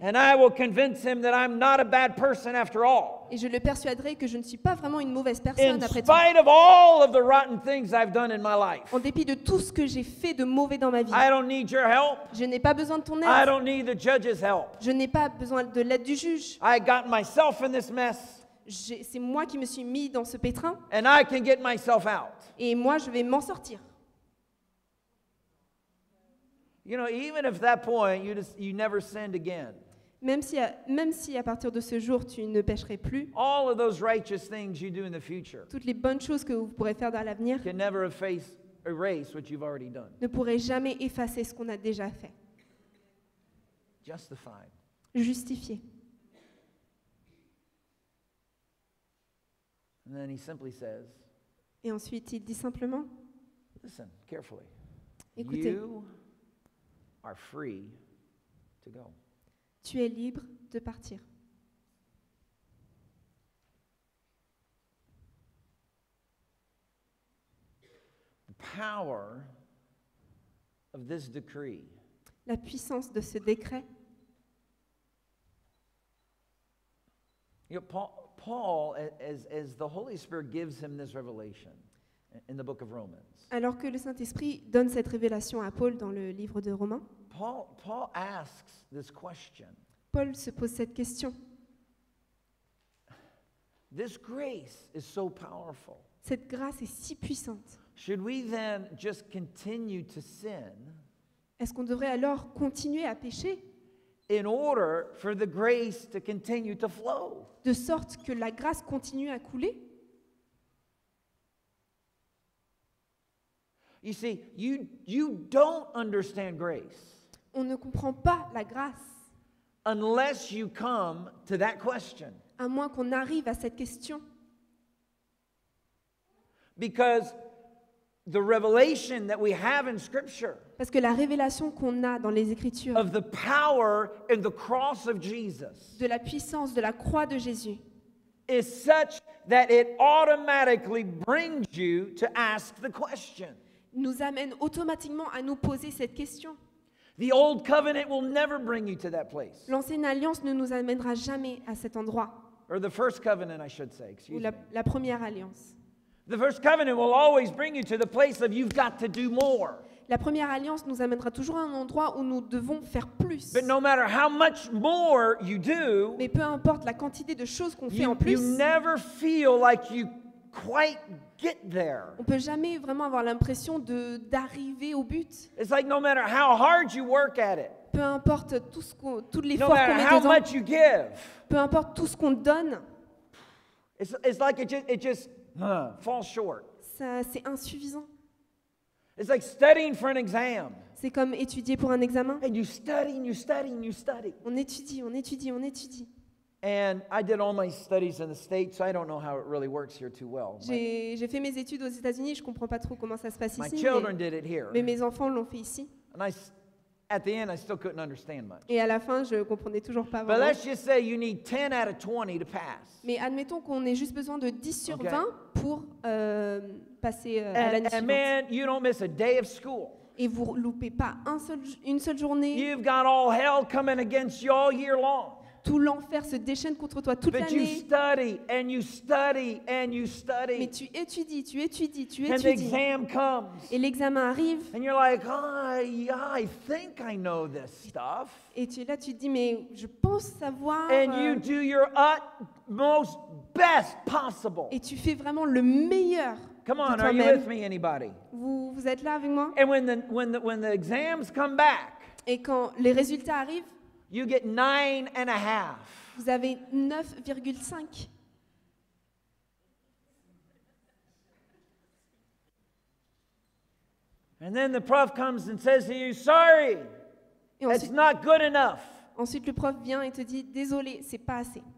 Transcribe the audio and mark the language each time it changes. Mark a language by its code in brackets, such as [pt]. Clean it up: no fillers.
[en] And I will convince him that I'm not a bad person after all. [fr] Et je le persuaderai que je ne suis pas vraiment une mauvaise personne après tout. [en] In spite of all of the rotten things I've done in my life. [fr] En dépit de tout ce que j'ai fait de mauvais dans ma vie. [en] I don't need your help. [fr] Je n'ai pas besoin de ton aide. [en] I don't need the judge's help. [fr] Je n'ai pas besoin de l'aide du juge. [en] I got myself in this mess. [fr] C'est moi qui me suis mis dans ce pétrin. [en] And I can get myself out. [fr] Et moi, je vais m'en sortir. [en] You know, even if at that point you never sinned again. [fr] Même si à partir de ce jour tu ne pécherais plus. [en] All of those righteous things you do in the future. [fr] Toutes les bonnes choses que vous pourrez faire dans l'avenir. [en] Can never erase what you've already done. [fr] Ne pourrez jamais effacer ce qu'on a déjà fait. [en] Justified. [fr] Justifié. [en] And then he simply says. [fr] Et ensuite il dit simplement. [en] Listen carefully. [fr] Écoutez. [en] You are free to go. [fr] Tu es libre de partir. [en] The power of this decree. [fr] La puissance de ce décret. [en] You know, Paul, as the Holy Spirit gives him this revelation in the book of Romans. [fr] Alors que le Saint-Esprit donne cette révélation à Paul dans le livre de Romains. [en] Paul asks this question. [fr] Paul se pose cette question. [en] This grace is so powerful. [fr] Cette grâce est si puissante. [en] Should we then just continue to sin? [fr] Est-ce qu'on devrait alors continuer à pécher? [en] In order for the grace to continue to flow. [fr] De sorte que la grâce continue à couler? [en] You see, you don't understand grace. [fr] On ne comprend pas la grâce. [en] Unless you come to that question. [fr] À moins qu'on arrive à cette question. [en] Because the revelation that we have in Scripture. [fr] Parce que la révélation qu'on a dans les Écritures. [en] Of the power in the cross of Jesus. [fr] De la puissance de la croix de Jésus. [en] Is such that it automatically brings you to ask the question. [fr] Nous amène automatiquement à nous poser cette question. [en] The old covenant will never bring you to that place. [fr] L'ancienne alliance ne nous amènera jamais à cet endroit. [en] Or the first covenant, I should say. Excuse [fr] Ou la première alliance. [en] The first covenant will always bring you to the place of you've got to do more. [fr] La première alliance nous amènera toujours à un endroit où nous devons faire plus. [en] But no matter how much more you do, [fr] mais peu importe la quantité de choses qu'on fait en plus, [en] you never feel like you quite get there. [fr] On peut jamais vraiment avoir l'impression d'arriver au but. [en] It's like no matter how hard you work at it. [fr] Peu importe tout ce qu'on, toutes les [en] no [fr] fois qu'on met [en] how [fr] dedans. [en] Much you give, [fr] peu importe tout ce qu'on donne. [en] It's like it just falls short. [fr] Ça, c'est insuffisant. [en] It's like studying for an exam. [fr] C'est comme étudier pour un examen. [en] And you study and you study and you study. [fr] On étudie, on étudie, on étudie. [en] And I did all my studies in the States, so I don't know how it really works here too well. [fr] J'ai fait mes études aux États-Unis, je comprends pas trop comment ça se passe ici. [en] My children did it here. [fr] Mais mes enfants l'ont fait ici. [en] And at the end, I still couldn't understand much. [fr] Et à la fin, je comprenais toujours pas vraiment. [en] But let's just say you need 10 out of 20 to pass. [fr] Mais admettons qu'on ait juste besoin de 10 sur 20 pour passer à l'année suivante. [en] And man, you don't miss a day of school. [fr] Et vous loupez pas une seule journée. [en] You've got all hell coming against you all year long. [fr] Tout l'enfer se déchaîne contre toi toute l'année. [en] But you study and you study and you study. [fr] Mais tu étudies, tu étudies, tu étudies. [en] And the exam comes. [fr] Et l'examen arrive. [en] And you're like, oh, yeah, I think I know this stuff. [fr] Et tu es là, tu te dis, mais je pense savoir. [en] And you do your utmost best possible. [fr] Et tu fais vraiment le meilleur. [en] Come on, are you with me, anybody? [fr] Vous êtes là avec moi? [en] And when the exams come back. [fr] Et quand les résultats arrivent. [en] You get 9.5. [fr] Vous avez 9.5. [en] And then the prof comes and says to you, "Sorry, [fr] ensuite, [en] that's not good enough." [fr] Ensuite, le prof vient et te dit, désolé, c'est pas assez.